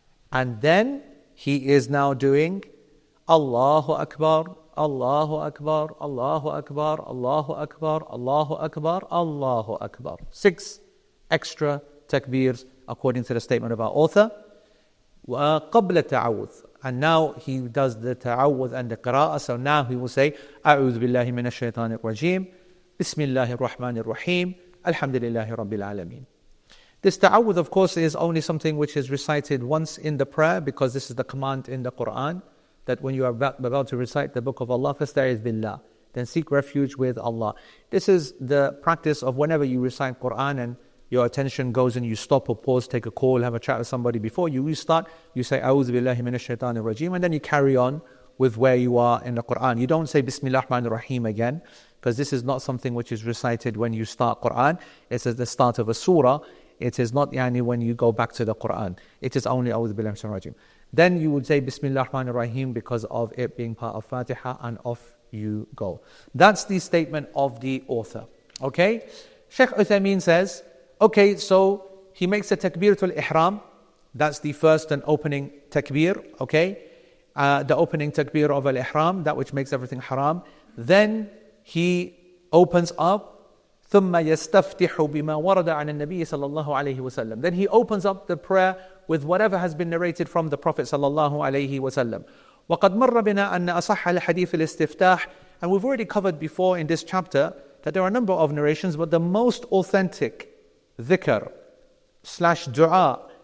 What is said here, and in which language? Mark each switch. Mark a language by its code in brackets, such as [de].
[en] And then he is now doing, Allahu Akbar, Allahu Akbar, Allahu Akbar, Allahu Akbar, Allahu Akbar, Allahu Akbar. Six extra takbirs according to the statement of our author. [ar] وَقَبْلَ تَعَوُّذْ. [en] And now he does the ta'awudh and the qira'ah. So now he will say, [ar] أَعُوذُ بِاللَّهِ مِنَ الشَّيْطَانِ الرَّجِيمِ بِسْمِ اللَّهِ الرَّحْمَنِ الرَّحِيمِ الْحَمْدِ لِلَّهِ رَبِّ الْعَالَمِينَ. [en] This ta'awudh, of course, is only something which is recited once in the prayer, because this is the command in the Qur'an, that when you are about to recite the book of Allah, [ar] فَاسْتَعِذْ بِاللَّهِ, [en] then seek refuge with Allah. This is the practice of whenever you recite Qur'an and your attention goes and you stop or pause, take a call, have a chat with somebody before you restart, you say, [ar] أَعُوذُ بِاللَّهِ مِنَ الشَّيْطَانِ الرَّجِيمِ, [en] and then you carry on with where you are in the Qur'an. You don't say, [ar] بِسْمِ اللَّهِ الرَّحْمَنِ الرَّحِيمِ [en] again, because this is not something which is recited when you start Qur'an. It's at the start of a surah. It is not يعني, when you go back to the Qur'an. It is only [ar] أَعُوذُ بِاللَّهِ مِنَ الشَّيْطَانِ الرَّجِيمِ. [en] Then you would say, [ar] بِسْمِ اللَّهِ الرَّحْمَنِ الرَّحِيمِ, [en] because of it being part of Fatiha, and off you go. That's the statement of the author. Okay? Sheikh Uthaymeen says, okay, so he makes a takbiratul ihram. That's the first and opening takbir, okay? The opening takbir of al-ihram, that which makes everything haram. Then he opens up, [ar] ثُمَّ يَسْتَفْتِحُ بِمَا وَرَدَ عَنَ النَّبِيِّ صَلَى اللَّهُ عَلَيْهِ وَسَلَّمُ. [en] Then he opens up the prayer with whatever has been narrated from the Prophet صلى الله عليه وسلم. [ar] وَقَدْ مَرَّ بِنَا أَنَّ أَصَحَّ الْحَدِيثِ الْإِسْتِفْتَاحِ. [en] And we've already covered before in this chapter that there are a number of narrations, but the most authentic dhikr slash dua